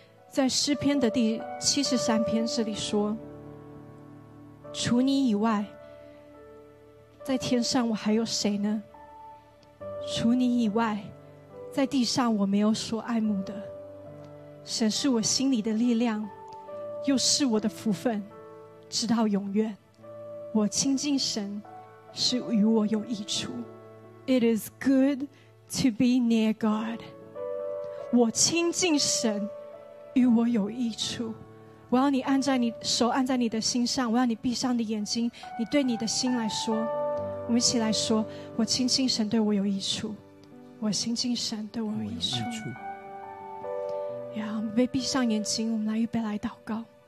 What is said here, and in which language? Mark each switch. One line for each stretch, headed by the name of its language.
Chinese: 在诗篇的第73篇这里说，除你以外在天上我还有谁呢？除你以外在地上我没有所爱慕的。神是我心里的力量，又是我的福分，直到永远。我亲近神是与我有益处。
English: It is goodTo be near God，
Chinese: 我亲近神与我有益处。我要你按在你手按在你的心上，我要你闭上你眼睛，你对你的心来说，我们一起来说：我亲近神对我有益处，我亲近神对我有益处。我们闭上眼睛，我们来预备来祷告。